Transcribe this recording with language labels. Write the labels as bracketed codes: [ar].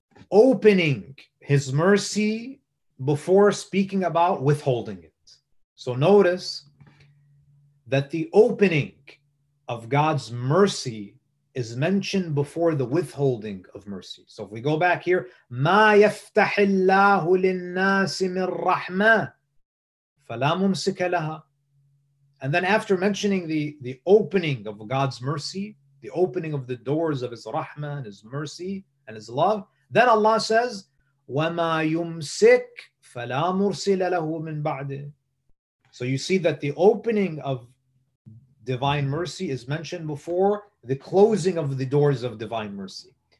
[en] Opening his mercy before speaking about withholding it. So notice that the opening of God's mercy is mentioned before the withholding of mercy. So if we go back here, [ar] مَا يَفْتَحِ اللَّهُ لِلنَّاسِ مِنْ رَحْمَةٍ فَلَا مُمْسِكَ لَهَا. [en] And then after mentioning the opening of God's mercy, the opening of the doors of His rahmah and His mercy and His love, then Allah says, [ar] وَمَا يُمْسِكْ فَلَا مُرْسِلَ لَهُ مِنْ بَعْدِهِ. [en] So you see that the opening of divine mercy is mentioned before the closing of the doors of divine mercy.